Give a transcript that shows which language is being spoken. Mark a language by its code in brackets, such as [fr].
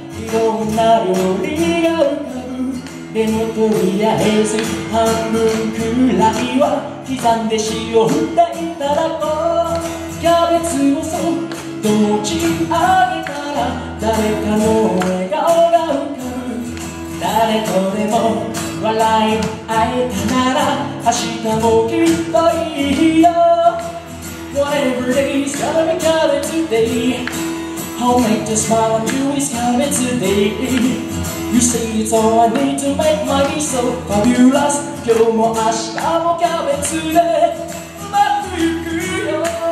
[ja] こんな料理が浮かぶ。でもとりあえず半分くらいは刻んで塩振っていただこう。キャベツをそっと持ち上げたら誰かの笑顔が浮かぶ。誰とでも笑い合えたなら明日もきっといいよ。 [en] Whatever it is, gotta be cabbage today. I'll make the smile on you is cabbage today. You say it's all I need to make my day so fabulous. [ja] 今日も明日もキャベツでうまくいくよ。